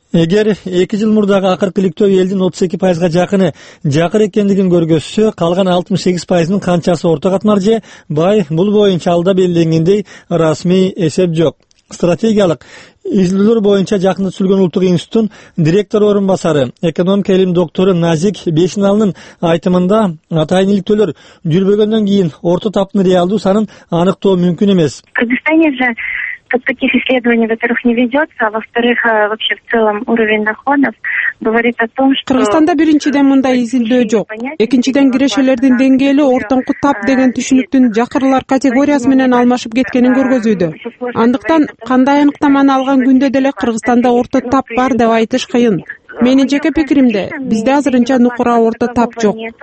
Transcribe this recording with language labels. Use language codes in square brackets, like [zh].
[ky] Эгер 2 жыл мурдагы акыркы иликтөө элдин 32% жакыны жакыр экендигин көргөзсө, калган 68%нын канчасы орто катмар же бай, бул боюнча алда белгиленгендей расмий эсеп жок. Стратегиялык изилдөөлөр боюнча жакында түзүлгөн Улуттук институттун директор орун басары, экономика илим доктору Назик Бешиналынын айтымында, атайын иликтөөлөр жүрбөгөндөн кийин орто таптын реалдуу санын аныктоо мүмкүн эмес. [ru] Таких исследований, во-первых, не ведется, а во-вторых, вообще в целом уровень доходов говорит о том, что... [ky] Кыргызстанда биринчиден мындай изилдөө жок. Экинчиден кирешелердин деңгээли ортоңку тап деген түшүнүктүн жакырлар категориясы менен алмашып кеткенин көргөзүүдө. Андыктан кандай аныктаманы алган күндө деле Кыргызстанда орто тап бар деп айтыш кыйын. Менин жеке пикиримде, бизде азырынча нукура орто тап жок.